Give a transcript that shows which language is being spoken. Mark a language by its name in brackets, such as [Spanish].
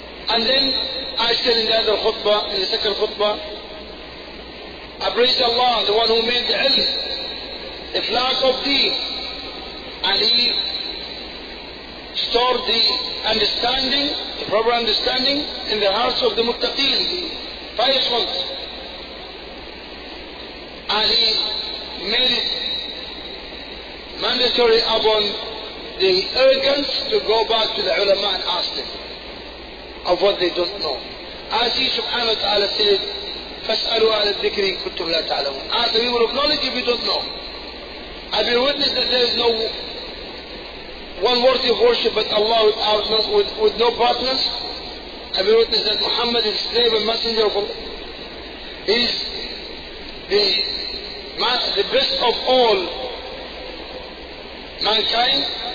[English] And then I said in the other khutbah, in the second khutbah, I praise Allah, the one who made the ilm, the flag of deen, and he stored the understanding, the proper understanding, in the hearts of the muttaqeen, the pious ones. And he made it mandatory upon the arrogance to go back to the ulama and ask them of what they don't know. As he [Arabic] subhanahu wa ta'ala said, فَاسْأَلُوا عَلَى الذِّكْرِ كُنْتُمْ لَا تَعْلَمُونَ. [English] Ask the people of knowledge if you don't know. I've been witness that there is no one worthy of worship but Allah with no partners. I've been witness that Muhammad is slave and messenger of Allah. He is the best of all mankind.